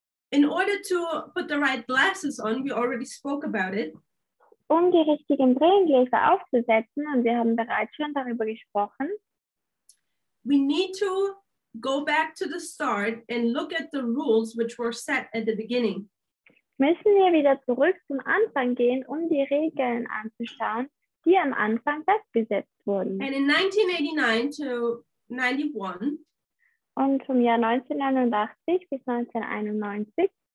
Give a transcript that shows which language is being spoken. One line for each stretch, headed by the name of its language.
English: In order to put the right glasses on, we already spoke about it.
German: Um die richtigen Brillengläser aufzusetzen, und wir haben bereits schon darüber gesprochen.
English: We need to go back to the start and look at the rules which were set at the beginning.
German: Müssen wir wieder zurück zum Anfang gehen, um die Regeln anzuschauen, die am Anfang festgesetzt wurden.
English: And in 1989 to 91.
German: Und vom Jahr 1989 bis 1991.